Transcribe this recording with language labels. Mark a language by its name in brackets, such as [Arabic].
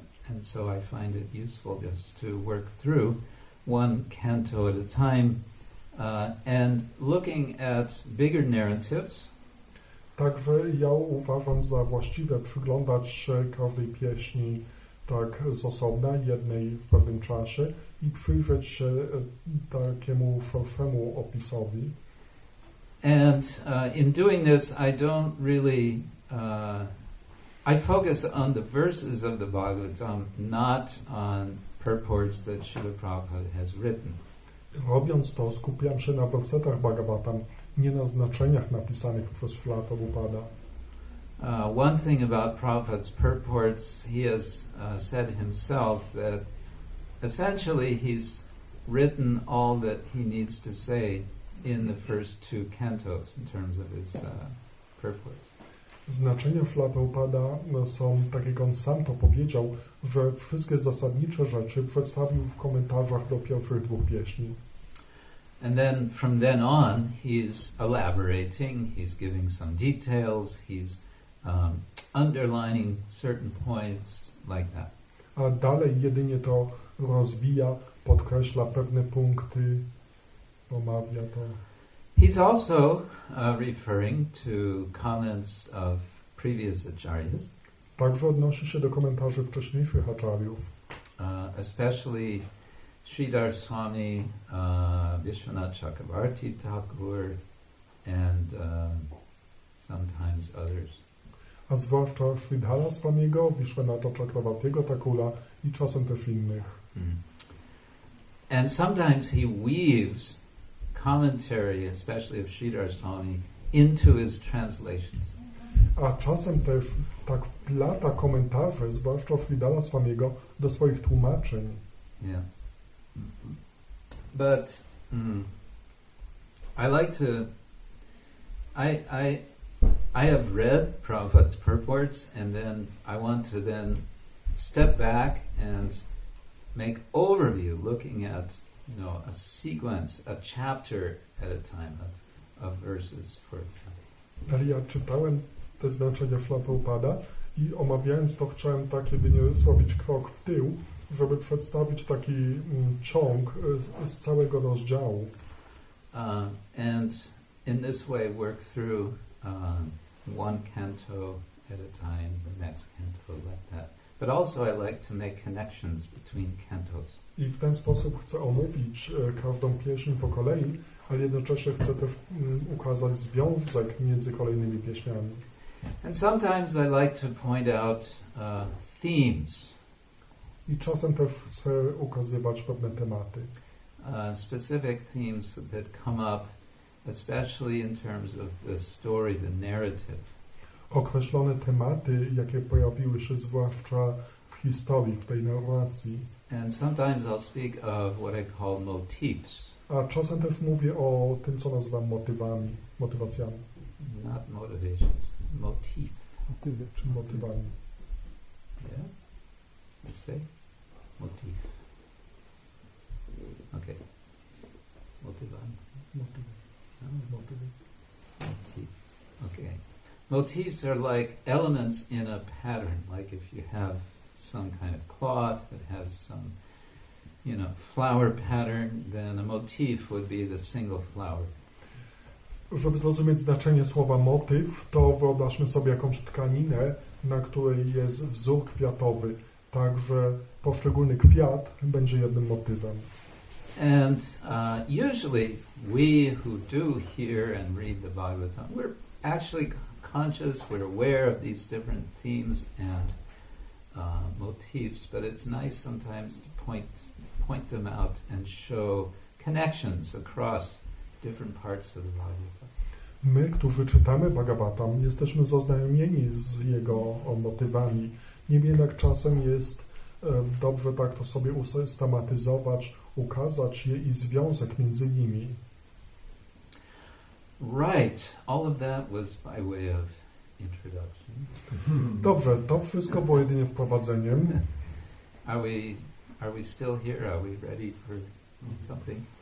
[English] And so I find it useful just to work through one canto at a time and looking at bigger narratives. [Polish] Także ja uważam za właściwe przyglądać się każdej pieśni tak z osobna, jednej w pewnym czasie i przyjrzeć się takiemu szerszemu opisowi. [English] And in doing this I don't really I focus on the verses of the Bhagavatam, not on purports that Śrīla Prabhupāda has written. [Polish] Robiąc to, skupiam się na wersetach Bhagavatam, nie na znaczeniach napisanych przez Śrīla Prabhupāda. [English] One thing about Prabhupāda's purports, he has said himself that essentially he's written all that he needs to say in the first two cantos in terms of his purports. [Polish] Znaczenia Śrīla Prabhupāda są, tak jak on sam to powiedział, że wszystkie zasadnicze rzeczy przedstawił w komentarzach do pierwszych dwóch pieśni. [English] And then from then on he's elaborating, he's giving some details, he's underlining certain points like that. [Polish] A dalej jedynie to rozwija, podkreśla pewne punkty, omawia to. [English] He's also referring to comments of previous acharyas. [Polish] Także odnosi się do komentarzy wcześniejszych acharyów. [English] Especially Sridhar Swami, Vishwanath Chakravarti Thakur and sometimes others. [Polish] A zwłaszcza Sridhara Swamiego, Vishwanatha Chakravartiego Thakura i czasem też innych. [English] And sometimes he weaves commentary, especially of Sridhar Swami, into his translations. [Polish] A czasem też tak wplata komentarze, zwłaszcza Sridhara Swamiego, do swoich tłumaczeń. [English] Yeah. But I like to. I have read Prabhupada's purports, and then I want to then step back and make overview, looking at. No, a sequence, a chapter at a time of verses, for example. [Polish] Ale ja czytałem te znaczenia Śrīla Prabhupāda i omawiając to chciałem tak jedynie zrobić krok w tył, żeby przedstawić taki ciąg z całego rozdziału. [English] And in this way work through one canto at a time, the next canto like that. But also I like to make connections between cantos. [Polish] I w ten sposób chcę omówić każdą pieśń po kolei, ale jednocześnie chcę też ukazać związek między kolejnymi pieśniami. [English] And sometimes I like to point out themes. [Polish] I czasem też chcę ukazywać pewne tematy. [English] Specific themes that come up, especially in terms of the story, the narrative. [Polish] Określone tematy, jakie pojawiły się zwłaszcza w historii, w tej narracji. [English] And sometimes I'll speak of what I call motifs. [Polish] A czasem też mówię o tym, co nazywam motywami, motywacjami. [English] Not motivations, motif. [Polish] Motywy, czy motywami. [English] Yeah? You say? Motif. Okay. [Polish] Motywami. [English] Motifs. Okay. Motifs are like elements in a pattern, like if you have some kind of cloth that has some, you know, flower pattern, then a motif would be the single flower. [Polish] Żeby zrozumieć znaczenie słowa motyw, to wyobraźmy sobie jakąś tkaninę, na której jest wzór kwiatowy. Także poszczególny kwiat będzie jednym motywem. [English] And usually we who do hear and read the Bhagavatam, we're actually conscious, we're aware of these different themes and motifs, but it's nice sometimes to point them out and show connections across different parts of the Bhagavata. [Polish] My, którzy czytamy Bhagavatam, jesteśmy zaznajomieni z jego motywami. Niemniej jednak czasem jest dobrze tak to sobie usystematyzować, ukazać je i związek między nimi. [English] Right, all of that was by way of introduction. [Polish] Dobrze, to wszystko było jedynie wprowadzeniem. [English] Are we still here? Are we ready for something?